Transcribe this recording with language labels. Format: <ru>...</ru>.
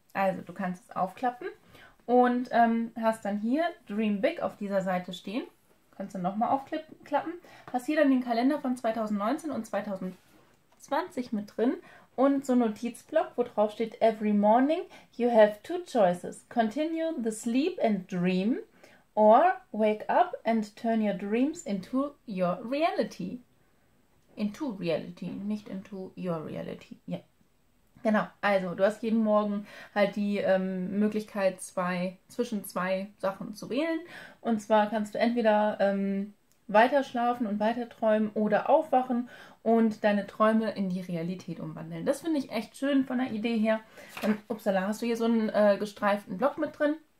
<de>Also, du kannst es aufklappen und hast dann hier Dream Big auf dieser Seite stehen. Kannst du nochmal aufklappen. Hast hier dann den Kalender von 2019 und 2020 mit drin und so ein Notizblock, wo drauf steht:</de> <en>Every morning you have two choices. Continue the sleep and dream or wake up and turn your dreams into your reality. Into reality,</en> <de>nicht</de> <en>into your reality.</en> <de>Ja. Genau, also du hast jeden Morgen halt die Möglichkeit, zwischen zwei Sachen zu wählen. Und zwar kannst du entweder weiterschlafen und weiterträumen oder aufwachen und deine Träume in die Realität umwandeln. Das finde ich echt schön von der Idee her. Dann, upsala, hast du hier so einen gestreiften Block mit drin?</de>